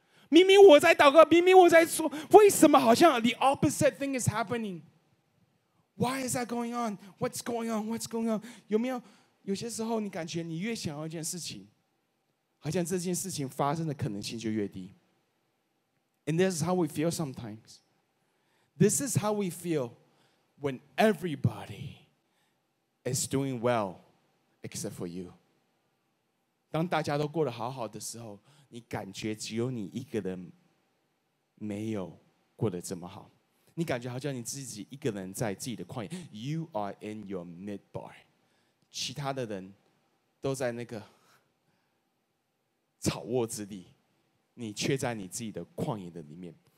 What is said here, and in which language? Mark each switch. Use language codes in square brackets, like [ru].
[zh] 明明我在祷告，明明我在说，为什么好像 [en] the opposite thing is happening? Why is that going on? What's going on? What's going on? [zh] 有没有有些时候你感觉你越想要一件事情，好像这件事情发生的可能性就越低？ [en] And this is how we feel sometimes. This is how we feel when everybody is doing well except for you. [zh] 当大家都过得好好的时候，你感觉只有你一个人没有过得这么好。你感觉好像你自己一个人在自己的旷野 ， [en] You are in your midbar， [zh] 其他的人都在那个草窝之地，你却在你自己的旷野的里面。